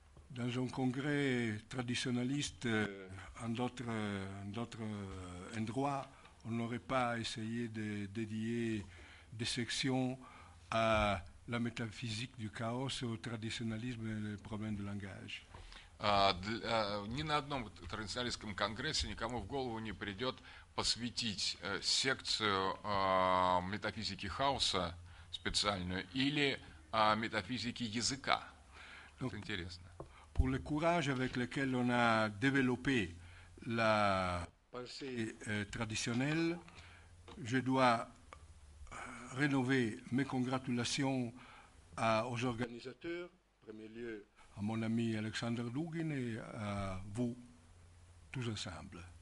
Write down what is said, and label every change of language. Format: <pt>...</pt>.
<fr>Dans un congrès traditionnaliste en d'autres endroits, on n'aurait pas essayé de dédier des sections à la métaphysique du chaos, au traditionnalisme et le problème du langage.</fr> <ru>Ни на одном традиционалистском конгрессе никому в голову не придет посвятить секцию метафизики хаоса специальную или метафизики языка. Donc, это интересно.</ru> <fr>Pour le courage avec lequel on a développé la pensée traditionnelle, je dois renouveler mes congratulations aux organisateurs, en premier lieu à mon ami Alexandre Dugin et à vous tous ensemble.</fr>